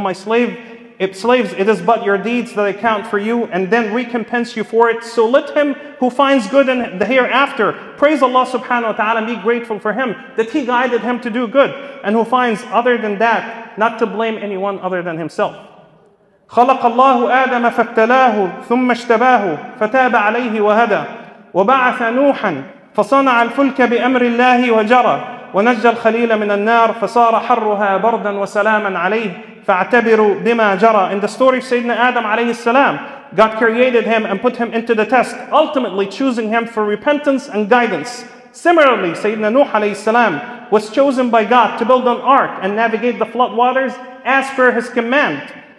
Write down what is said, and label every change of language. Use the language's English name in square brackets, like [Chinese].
[English] O my slave, if slaves, it is but your deeds that I count for you and then recompense you for it. So let him who finds good in the hereafter praise Allah subhanahu wa ta'ala and be grateful for him that he guided him to do good, and who finds other than that, not to blame anyone other than himself. [Arabic] خَلَقَ اللَّهُ آدَمَ فَابْتَلَاهُ ثُمَّ اشْتَبَاهُ فَتَابَ عَلَيْهِ وَهَدَى وبعث نوحا فصنع الفلك بأمر الله وجرى ونجى الخليل من النار فصار حرها بردا وسلاما عليه فاعتبروا بما جرى. [English] In the story of Sayyidina Adam عليه السلام, God created him and put him into the test, ultimately choosing him for repentance and guidance. Similarly, Sayyidina Nuh عليه السلام was chosen by God to build an ark and navigate the flood waters as per his command.